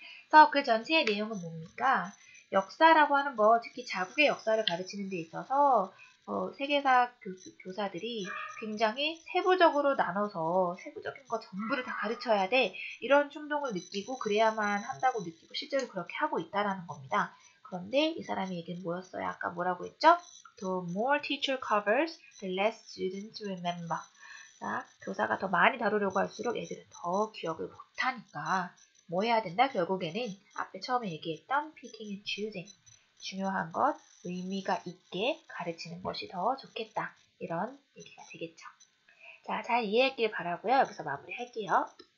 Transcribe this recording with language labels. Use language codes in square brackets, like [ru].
[ko] 그래서 그 전체의 내용은 뭡니까? 역사라고 하는 거, 특히 자국의 역사를 가르치는 데 있어서 세계사 교사들이 굉장히 세부적으로 나눠서 세부적인 거 전부를 다 가르쳐야 돼. 이런 충동을 느끼고 그래야만 한다고 느끼고 실제로 그렇게 하고 있다라는 겁니다. 그런데 이 사람의 얘기는 뭐였어요? 아까 뭐라고 했죠? [en] The more teacher covers, the less students remember. [ko] 자, 교사가 더 많이 다루려고 할수록 애들은 더 기억을 못하니까 뭐 해야 된다? 결국에는 앞에 처음에 얘기했던 [en] picking and choosing. [ko] 중요한 것, 의미가 있게 가르치는 것이 더 좋겠다. 이런 얘기가 되겠죠. 자, 잘 이해했길 바라고요. 여기서 마무리할게요.